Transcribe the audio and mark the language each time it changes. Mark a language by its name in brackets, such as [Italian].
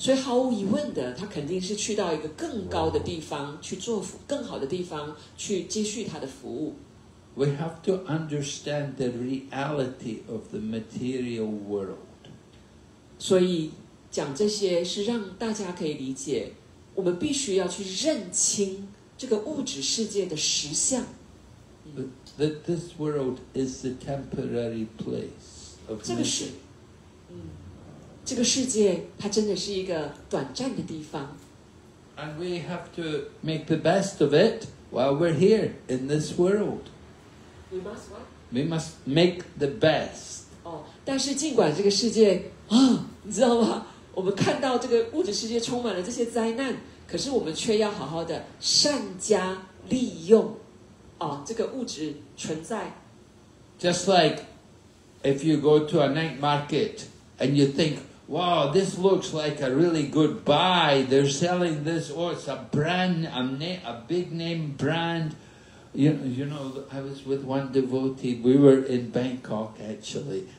[Chinese] 所以毫无疑问的，他肯定是去到一个更高的地方去做更好的地方去继续他的服务。 [English] We have to understand the reality of the material world. [Chinese] 所以讲这些是让大家可以理解，我们必须要去认清这个物质世界的实相。 [English] That this world is the temporary place of this. [Chinese] 这个是。这个世界它真的是一个短暂的地方。 [English] And we have to make the best of it while we're here in this world. We must what? We must make the best. [Chinese] 但是尽管这个世界你知道吗？我们看到这个物质世界充满了这些灾难，可是我们却要好好的善加利用这个物质存在。 [English] Just like if you go to a night market and you think,Wow, this looks like a really good buy. They're selling this. Oh, it's a brand, a big name brand. You know, I was with one devotee. We were in Bangkok, actually.